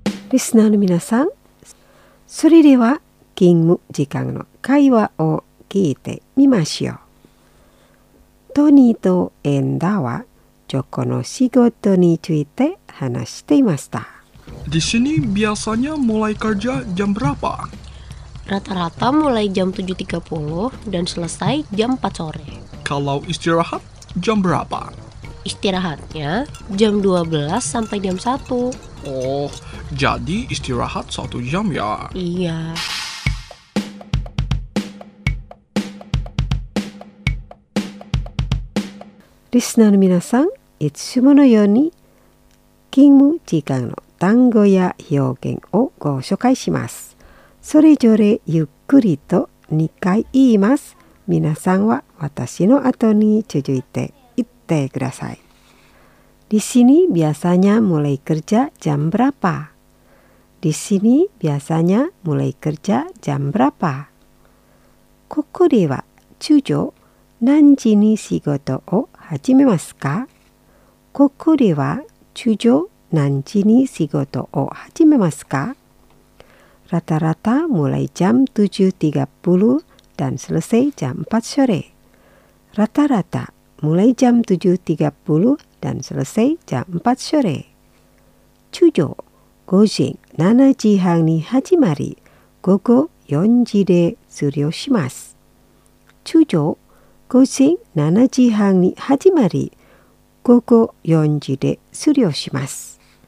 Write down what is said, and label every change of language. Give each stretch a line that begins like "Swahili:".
Japanese: リスナーの皆さん、それでは勤務時間の会話を聞いてみましょう。トニーとエンダはチョコの仕事について話していました。
Indonesian: Di sini biasanya mulai kerja jam berapa? Rata-rata mulai jam 7.30 dan selesai jam 4 sore. Kalau istirahat, jam berapa? Istirahatnya jam 12 sampai jam 1. Oh, jadi istirahat 1 jam ya? Iya.
Japanese: Listener 皆さん、いつものように勤務時間の単語や表現をご紹介します。それぞれゆっくりと2回言います。皆さんは私の後に続いて言ってください。
Indonesian: Di sini biasanya mulai kerja jam berapa? Di sini biasanya mulai kerja jam berapa?
Japanese: ここでは通常何時に仕事を始めますか？ここでは通常何時に仕事を始めますか？
Indonesian: ラタラタ mulai jam 7.30 dan selesai jam 4 sore. ラタラタ mulai jam 7.30 dan selesai jam 4 sore.
Japanese: 通常午前7時半に始まり、午後4時で終了します。通常午前7時半に始まり、午後4時で終了します。